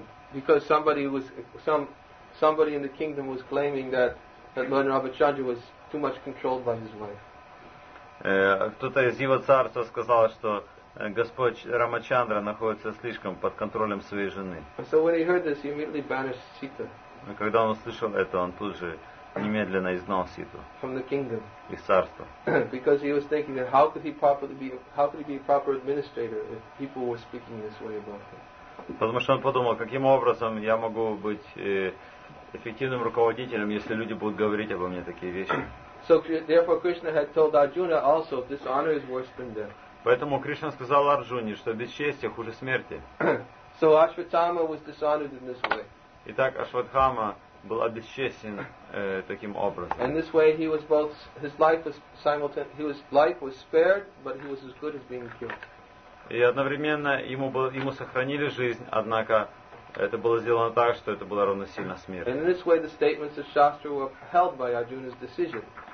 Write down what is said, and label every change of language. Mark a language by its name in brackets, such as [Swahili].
[English] because somebody in the kingdom was claiming that Lord Ramachandra was too much controlled by his wife. [Russian] Кто-то из его царства сказал, что Господь Рамачандра находится слишком под контролем своей жены. [English] So when he heard this, he immediately banished Sita. [Russian] Когда он услышал это, он тут же немедленно изгнал Ситу. [English] From the kingdom. [Russian] Из царства. [English] Because he was thinking that how could he be a proper administrator if people were speaking this way about him. [Russian] Потому что он подумал, каким образом я могу быть эффективным руководителем, если люди будут говорить обо мне такие вещи. [English] So therefore Krishna had told Arjuna also, dishonor is worse than death. [Russian] Поэтому Кришна сказал Арджуне, что бесчестие хуже смерти. [English] So Ashwatthama was dishonored in this way. [Russian] Итак, Ашватхама был обесчестен таким образом. [English] And this way he was both his life was simultaneously his life was spared, but he was as good as being killed. [Russian] И одновременно ему сохранили жизнь, однако это было сделано так, что это было равносильно смерти. [English] And in this way the statements of Shastra were upheld by Arjuna's decision.